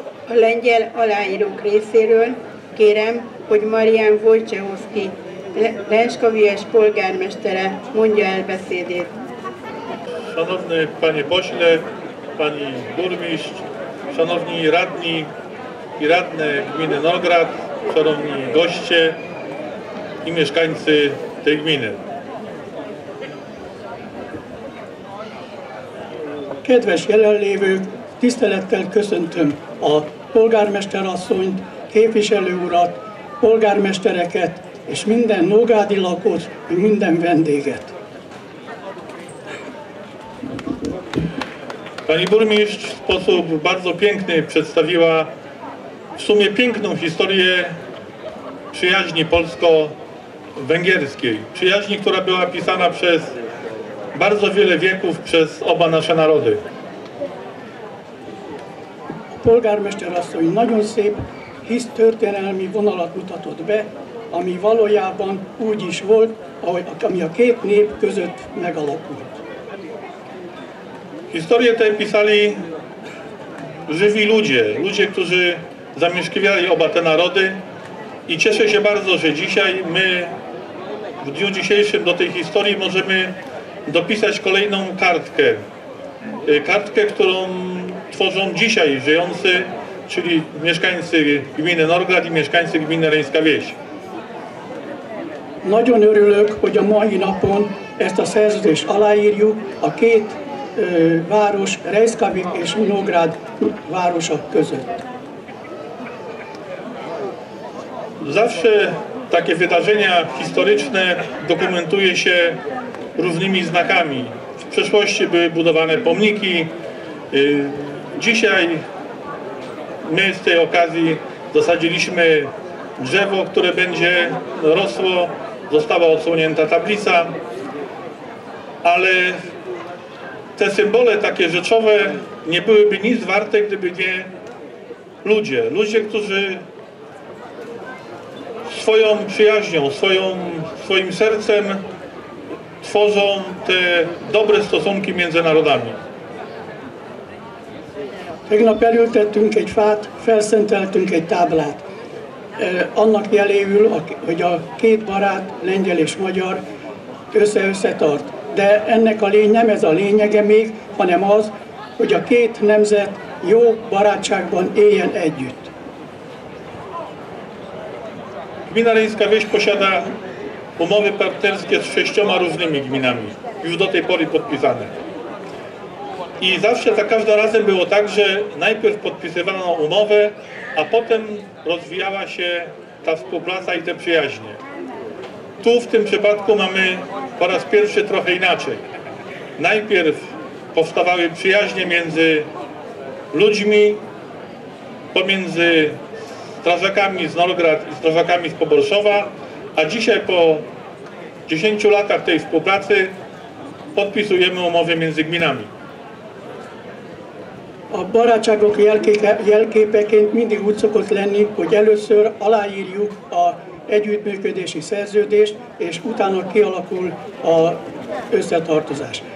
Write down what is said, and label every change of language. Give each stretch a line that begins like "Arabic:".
Hungarian: A lengyel aláírók részéről kérem, hogy Marián Wojciechowski, Reńska Wieś polgármestere mondja el beszédét.
Polish: Szanowny panie pośle, pani burmistrz, szanowni radni i radne gminy Nograd, szanowni goście i mieszkańcy tej gminy.
Hungarian: Kedves jelenlévő, tisztelettel köszöntöm a polgármester asszonyt, képviselő urat, polgármestereket és minden nógádi lakót, minden vendéget.
Polish: Pani burmistrz w sposób bardzo piękny przedstawiła w sumie piękną historię przyjaźni polsko-węgierskiej. Przyjaźni, która była pisana przez bardzo wiele wieków przez oba nasze narody.
Hungarian: Polgármester asszony nagyon szép történelmi vonalat mutatott be, ami valójában úgy is volt, ami a két nép között megalakult.
Polish: Historię tę pisali żywi ludzie, ludzie, którzy zamieszkiwali oba te narody i cieszę się bardzo, że dzisiaj my w dniu dzisiejszym do tej historii możemy dopisać kolejną kartkę. Kartkę, którą tworzą dzisiaj żyjący, czyli mieszkańcy gminy Nograd i mieszkańcy gminy Reńska Wieś.
Hungarian: Nagyon örülök, hogy a mai napon ezt a szerződést aláírjuk a két város, Reńska Wieś és Nógrád városok között.
Polish: Zawsze takie wydarzenia historyczne dokumentuje się różnymi znakami. W przeszłości były budowane pomniki. Dzisiaj my z tej okazji zasadziliśmy drzewo, które będzie rosło. Została odsłonięta tablica, ale te symbole takie rzeczowe nie byłyby nic warte, gdyby nie ludzie. Ludzie, którzy swoją przyjaźnią, swoim sercem tworzą te dobre stosunki między narodami.
Hungarian: Tegnap elültettünk egy fát, felszenteltünk egy táblát. Annak jeléül, hogy a két barát, lengyel és magyar összetart. De ennek a lény nem ez a lényege még, hanem az, hogy a két nemzet jó barátságban éljen együtt.
Polish: Gmina Reńska Wieś posiada umowy partnerskie z 6 różnymi gminami, już do tej pory podpisane. I zawsze, za każdym razem było tak, że najpierw podpisywano umowę, a potem rozwijała się ta współpraca i te przyjaźnie. Tu w tym przypadku mamy po raz pierwszy trochę inaczej. Najpierw powstawały przyjaźnie między ludźmi, pomiędzy strażakami z Nograd i strażakami z Poborszowa, a dzisiaj po 10 latach tej współpracy podpisujemy umowy między gminami.
Hungarian: A barátságok jelképeként mindig úgy szokott lenni, hogy először aláírjuk az együttműködési szerződést, és utána kialakul az összetartozás.